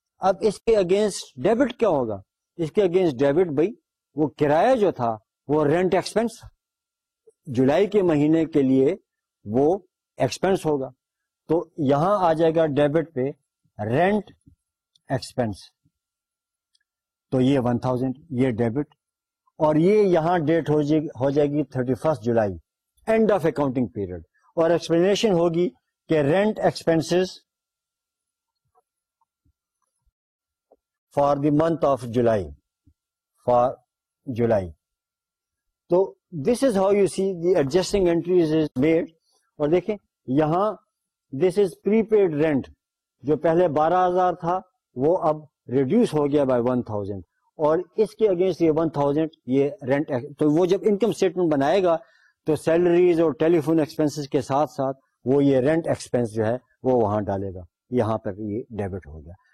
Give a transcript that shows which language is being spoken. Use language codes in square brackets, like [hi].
[ur] اب اس کے against debit کیا ہوگا, اس کے اگینسٹ ڈیبٹ بھائی وہ کرایہ جو تھا وہ رینٹ ایکسپنس جولائی کے مہینے کے لیے وہ ایکسپنس ہوگا, تو یہاں آ جائے گا ڈیبٹ پہ رینٹ ایکسپنس, تو یہ 1,000 یہ ڈیبٹ, اور یہ یہاں ڈیٹ ہو جائے گی 31 جولائی, [en] End of accounting period. اور explanation [ur] ہوگی کہ [en] Rent expenses for the month of July, for July. تو this is how you see the adjusting entries is made. [ur] اور دیکھیں یہاں [en] this is prepaid rent, [ur] جو پہلے 12,000 تھا وہ اب ریڈیوس ہو گیا بائی 1,000, اور اس کے اگینسٹ یہ 1,000 یہ رینٹ. تو وہ جب انکم اسٹیٹمنٹ بنائے گا تو سیلریز اور ٹیلی فون ایکسپینس کے ساتھ ساتھ وہ یہ رینٹ ایکسپینس جو ہے وہ وہاں ڈالے گا, یہاں پر یہ ڈیبٹ ہو گیا.